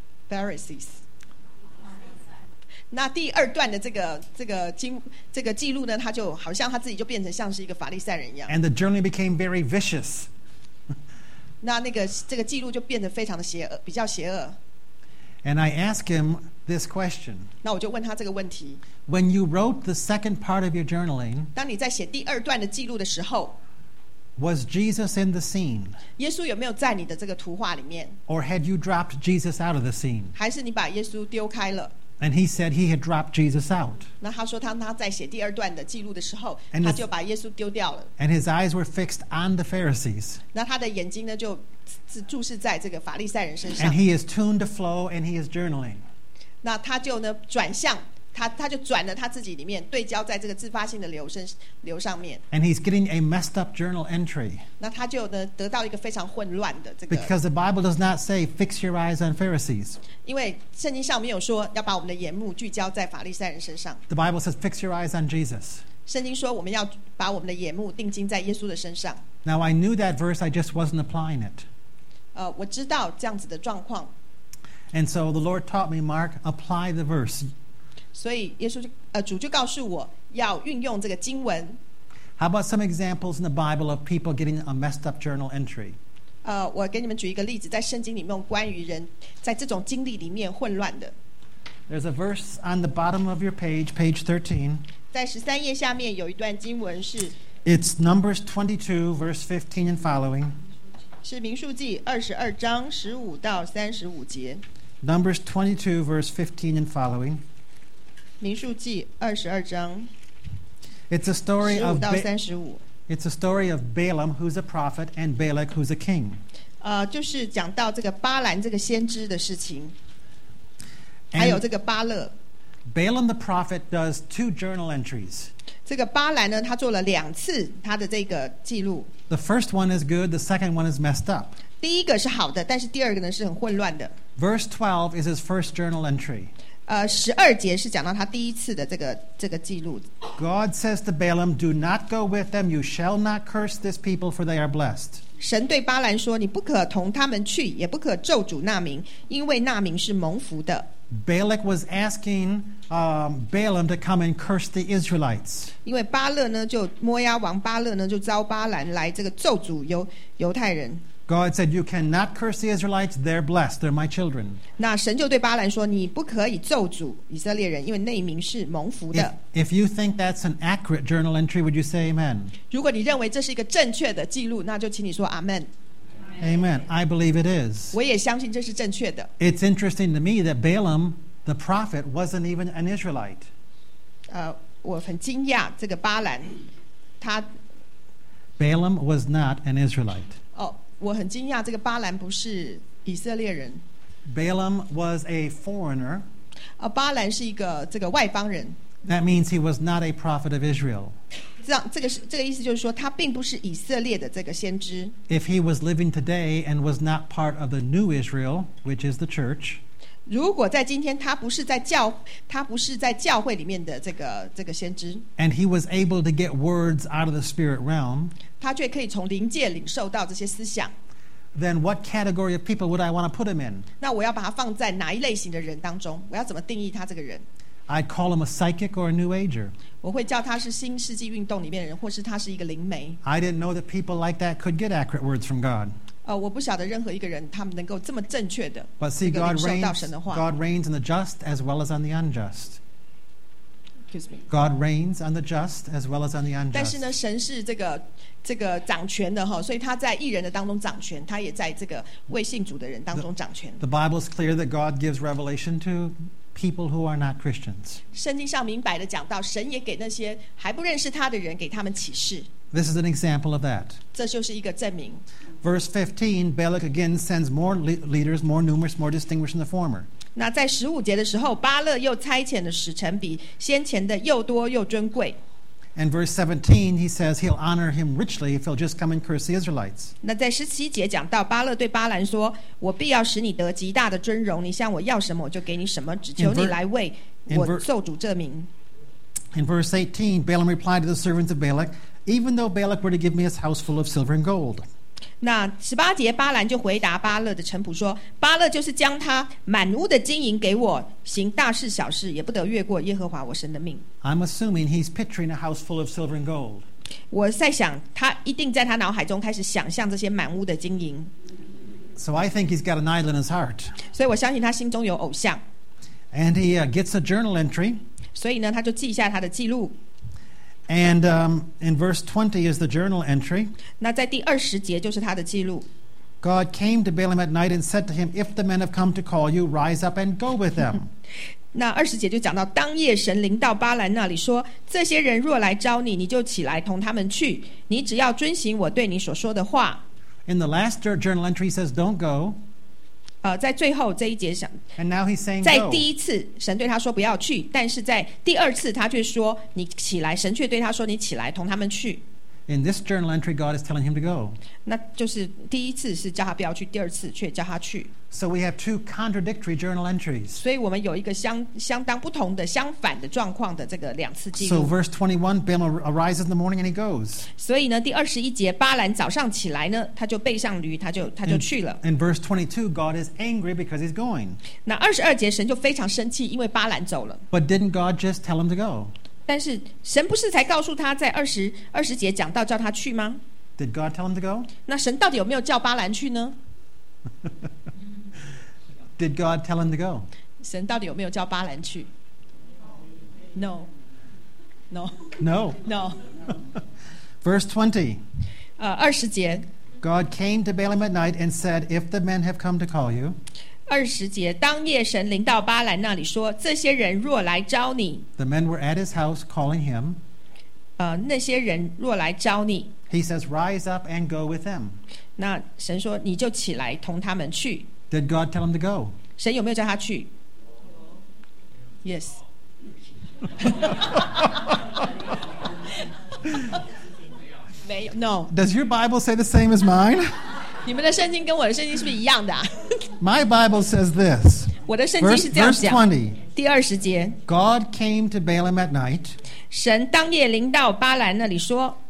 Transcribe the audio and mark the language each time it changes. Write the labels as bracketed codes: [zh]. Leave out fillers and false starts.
[en] Pharisees. [zh] 那第二段的这个记录呢，他就好像他自己就变成像是一个法利赛人一样。 [en] And the journey became very vicious. [zh] 那这个记录就变得非常的邪恶，比较邪恶。 [en] And I asked him this question. [zh] 那我就问他这个问题。 [en] When you wrote the second part of your journaling, [zh] 当你在写第二段的记录的时候。 [en] Was Jesus in the scene? [zh] 耶稣有没有在你的这个图画里面？ [en] Or had you dropped Jesus out of the scene? [zh] 还是你把耶稣丢开了？ [en] And he said he had dropped Jesus out. [zh] 那他说他在写第二段的记录的时候，他就把耶稣丢掉了。 [en] And his eyes were fixed on the Pharisees. [zh] 那他的眼睛呢，就注视在这个法利赛人身上。 [en] And he is tuned to flow, and he is journaling. [zh] 那他就呢转向他就转了他自己里面，对焦在这个自发性的流上面。 [en] And he's getting a messed up journal entry. [zh] 那他就呢得到一个非常混乱的这个。 [en] Because the Bible does not say fix your eyes on Pharisees. [zh] 因为圣经上没有说要把我们的眼目聚焦在法利赛人身上。 [en] The Bible says fix your eyes on Jesus. [zh] 圣经说我们要把我们的眼目定睛在耶稣的身上。 [en] Now I knew that verse, I just wasn't applying it. [zh] 我知道这样子的状况。 [en] And so the Lord taught me, Mark, apply the verse. [zh] 所以耶稣主就告诉我要运用这个经文。 [en] How about some examples in the Bible of people getting a messed up journal entry? [zh] 我给你们举一个例子，在圣经里面关于人在这种经历里面混乱的。 [en] There's a verse on the bottom of your page, page 13. [zh] 在十三页下面有一段经文是。 [en] It's Numbers 22, verse 15 and following. [zh] 是民数记二十二章十五到三十五节。 [en] Numbers 22, verse 15 and following. [zh] 民数记二十二章。 [en] It's a story of [zh] 十五到三十五。 [en] It's a story of Balaam, who's a prophet, and Balak, who's a king. [zh] 就是讲到这个巴兰这个先知的事情，还有这个巴勒。 [en] Balaam the prophet does two journal entries. [zh] 这个巴兰呢，他做了两次他的这个记录。 [en] The first one is good. The second one is messed up. [zh] 第一个是好的，但是第二个呢是很混乱的。 [en] Verse 12 is his first journal entry. [zh] 十二节是讲到他第一次的这个记录。 [en] God says to Balaam, "Do not go with them. You shall not curse this people, for they are blessed." [zh] 神对巴兰说，你不可同他们去，也不可咒诅那民，因为那民是蒙福的。 [en] Balak was asking, Balaam to come and curse the Israelites. [zh] 因为巴勒呢，就摩押王巴勒呢，就召巴兰来这个咒诅犹太人。 [en] God said, "You cannot curse the Israelites. They're blessed. They're my children." [zh] 那神就对巴兰说，你不可以咒诅以色列人，因为那民是蒙福的。 [en] If you think that's an accurate journal entry, would you say amen? [zh] 如果你认为这是一个正确的记录，那就请你说 amen。 [en] Amen. I believe it is. [zh] 我也相信这是正确的。 [en] It's interesting to me that Balaam, the prophet, wasn't even an Israelite. [zh] 我很惊讶，这个巴兰，他 [en] Balaam was not an Israelite. [zh] Oh, 我很惊讶，这个巴兰不是以色列人。 [en] Balaam was a foreigner. [zh] 啊，巴兰是一个这个外邦人。 [en] That means he was not a prophet of Israel. [zh] 这个意思就是说，他并不是以色列的这个先知。 [en] If he was living today and was not part of the new Israel, which is the church. [zh] 如果在今天他不是在教他不是在教会里面的这个先知 [en] and he was able to get words out of the spirit realm [zh] 他却可以从灵界领受到这些思想 [en] then what category of people would I want to put him in [zh] 那我要把他放在哪一类型的人当中我要怎么定义他这个人 [en] I'd call him a psychic or a new ager [zh] 我会叫他是新世纪运动里面的人或是他是一个灵媒 [en] I didn't know that people like that could get accurate words from God [zh] 我不晓得任何一个人他们能够这么正确的 [en] But see, God reigns on the just as well as on the unjust. God reigns on the just as well as on the unjust. [zh] 但是呢神是这个掌权的所以他在义人的当中掌权他也在这个未信主的人当中掌权 [en] The Bible is clear that God gives revelation to people who are not Christians. [zh] 圣经上明白的讲到神也给那些还不认识他的人给他们启示 [en] This is an example of that. [zh] 这就是一个证明。 [en] Verse 15, Balak again sends more leaders, more numerous, more distinguished than the former. [zh] 那在十五节的时候，巴勒又差遣的使臣比先前的又多又尊贵。 [en] And verse 17, he says he'll honor him richly if he'll just come and curse the Israelites. [zh] 那在十七节讲到巴勒对巴兰说，我必要使你得极大的尊荣，你向我要什么，我就给你什么，只求你来为我受主这名。 [en] In verse 18, Balaam replied to the servants of Balak, even though Balak were to give me his house full of silver and gold. [zh] 那十八节巴兰就回答巴勒的臣仆说，巴勒就是将他满屋的金银给我，行大事小事也不得越过耶和华我神的命。 [en] I'm assuming he's picturing a house full of silver and gold. [zh] 我在想，他一定在他脑海中开始想象这些满屋的金银。 [en] So I think he's got an idol in his heart. [zh] 所以我相信他心中有偶像。 [en] And he gets a journal entry. [zh] 所以呢他就记下他的记录 [en] And in verse 20 is the journal entry [zh] 那在第二十节就是他的记录 [en] God came to Balaam at night and said to him If the men have come to call you Rise up and go with them [zh] 那二十节就讲到当夜神临到巴兰那里说这些人若来招你你就起来同他们去你只要遵行我对你所说的话 [en] In the last journal entry he says don't go [zh] 在最后这一节想 [en] And now he's saying [zh] 在第一次神对他说不要去但是在第二次他却说你起来神却对他说你起来同他们去 [en] In this journal entry God is telling him to go [zh] 那就是第一次是叫他不要去第二次却叫他去 [en] So we have two contradictory journal entries [zh] 所以我们有一个 相当不同的相反的状况的这个两次记录 [en] So verse 21 Balaam arises in the morning and he goes [zh] 所以呢第二十一节巴兰早上起来呢他就背上驴他就去了 [en] In verse 22 God is angry because he's going [zh] 那二十二节神就非常生气因为巴兰走了 [en] But didn't God just tell him to go? [zh] 但是神不是才告诉他在二十节讲到叫他去吗 [en] Did God tell him to go? [zh] 那神到底有没有叫巴兰去呢 [en] Did God tell him to go? [zh] 神到底有没有叫巴兰去 [en] No No No No Verse 20 [zh] 二十节 [en] God came to Balaam at night and said If the men have come to call you [zh] 二十节当夜神临到巴兰那里说这些人若来招你 [en] The men were at his house calling him [zh] 那些人若来招你 [en] He says rise up and go with them [zh] 那神说你就起来同他们去 [en] Did God tell him to go? [zh] 神有没有叫他去 [en] Yes. No. Does your Bible say the same as mine? [zh] 你们的圣经跟我的圣经是不是一样的啊 [en] My Bible says this. [zh] 我的圣经是这样讲。 [en] Verse 20. [zh] 第二十节。 [en] God came to Balaam at night. [zh] 神当夜临到巴兰那里说。